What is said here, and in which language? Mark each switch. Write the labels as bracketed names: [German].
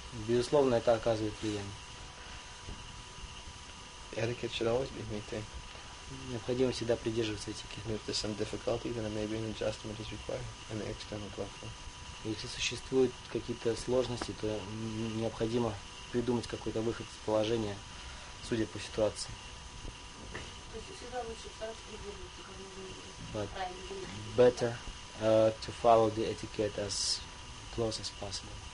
[Russian] Безусловно, это оказывает влияние. [English] Etiquette should always be maintained. [Russian] Необходимо всегда придерживаться этикета. [English] If there's some difficulty, then maybe an adjustment is required in the external platform. [Russian] Если существуют какие-то сложности, то необходимо придумать какой-то выход из положения, судя по ситуации. То есть всегда лучше сразу придерживаться, как [English] better to follow the etiquette as close as possible.